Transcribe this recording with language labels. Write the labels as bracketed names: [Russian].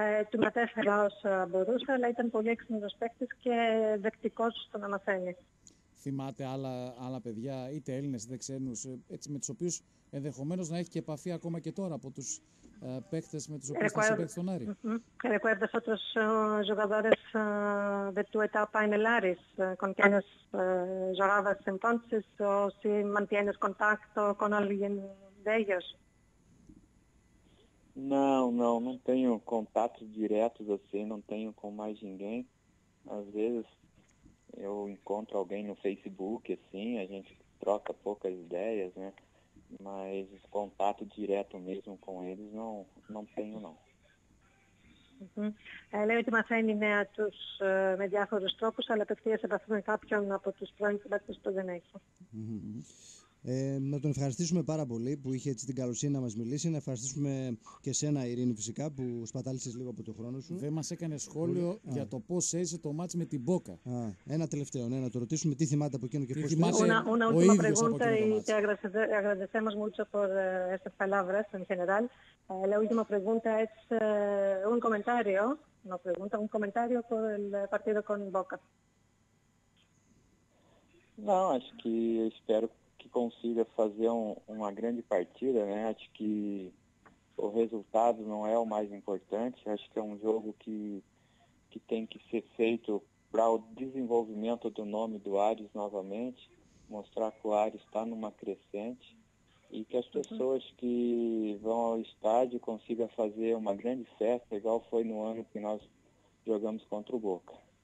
[Greek] Του μετέφερα όσα μπορούσα, αλλά ήταν πολύ έξυπνος παίκτης και δεκτικός στο να μαθαίνει. Θυμάται άλλα παιδιά, είτε Έλληνες είτε ξένους, έτσι, με τους οποίους ενδεχομένως να έχει και επαφή ακόμα και τώρα από τους παίκτες με τους οποίους θα συμπαίξει τον Άρη. [Spanish] Recuerdo otros jugadores de tu etapa en el Ares, con quienes jugabas entonces, o si mantienes contacto con alguien de ellos? [Portuguese] Não tenho contatos diretos assim, não tenho com mais ninguém. Às vezes eu encontro alguém no Facebook, assim, a gente troca poucas ideias, né? Mas contato direto mesmo com eles não tenho, não. [Greek] Λέει ότι μαθαίνει νέα τους με διάφορους τρόπους, αλλά απευθείας επαφή με κάποιον από τους πρώην συμπαίκτες που δεν έχει. Να τον ευχαριστήσουμε πάρα πολύ που είχε έτσι την καλοσύνη να μας μιλήσει. Να ευχαριστήσουμε και σένα, Ειρήνη, φυσικά που σπατάλησες λίγο από τον χρόνο σου. Δεν μας έκανε σχόλιο για το πώς έζησε το μάτς με την Μπόκα. Ένα τελευταίο, ναι, να το ρωτήσουμε τι θυμάται από εκείνο και πώς θυμάται. [Spanish] Una última pregunta y te agradecemos mucho por estas palabras en general. La última pregunta es un comentario. Una pregunta, un comentario por el partido con Boca. [Portuguese] Não, acho que eu espero que consiga fazer uma grande partida, né? Acho que o resultado não é o mais importante. Acho que é um jogo que tem que ser feito para o desenvolvimento do nome do Ares novamente, mostrar que o Ares está numa crescente e que as pessoas que vão ao estádio consigam fazer uma grande festa, igual foi no ano que nós jogamos contra o Boca.